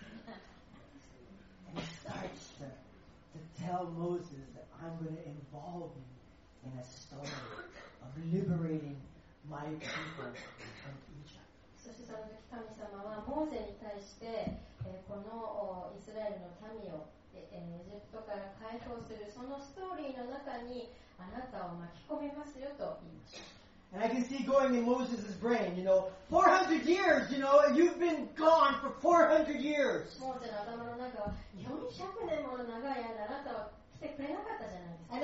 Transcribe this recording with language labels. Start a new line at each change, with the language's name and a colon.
English: And he starts to tell Moses that I'm going to involve you in a story of liberating my people from Egypt.
Japanese: そしてその時神様はモーセに対してこのイスラエルの民をエジプトから解放するそのストーリーの中にあなたを巻き込みますよと言いました。
English: And I can see going in Moses' brain, you know, 400 years, you know, you've been gone for 400 years.
Japanese: モーセの頭の中は400年もの長い間あなたは来てくれなかったじゃないですか。